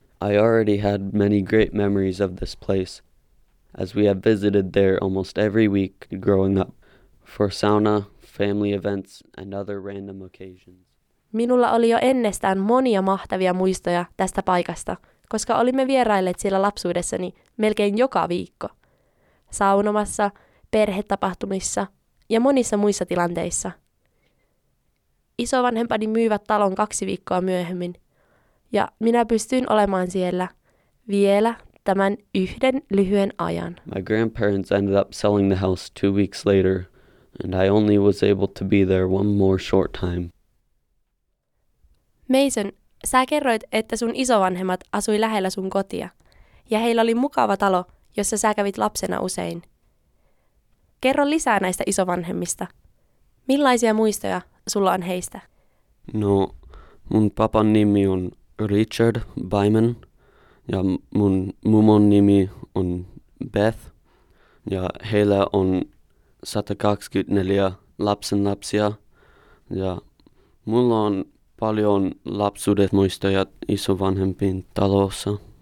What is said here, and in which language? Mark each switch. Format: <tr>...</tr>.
<en>I already had many great memories of this place, as we have visited there almost every week growing up, for sauna, family events and other random occasions.</en> <fi>Minulla oli jo ennestään monia mahtavia muistoja tästä paikasta, koska olimme vierailleet siellä lapsuudessani melkein joka viikko. Saunomassa, perhetapahtumissa ja monissa muissa tilanteissa. Isovanhempani myivät talon 2 viikkoa myöhemmin, ja minä pystyin olemaan siellä vielä tämän yhden lyhyen ajan.</fi> <en>My grandparents ended up selling the house 2 weeks later, and I only was able to be there one more short time.</en> <fi>Mason, sä kerroit, että sun isovanhemmat asui lähellä sun kotia, ja heillä oli mukava talo, jossa sä kävit lapsena usein. Kerro lisää näistä isovanhemmista. Millaisia muistoja sulla on heistä? No, mun papan nimi on Richard Byman, ja mun mummon nimi on Beth, ja heillä on 124 lapsenlapsia, ja mulla on paljon lapsuuden muistoja isovanhempien talossa.</fi>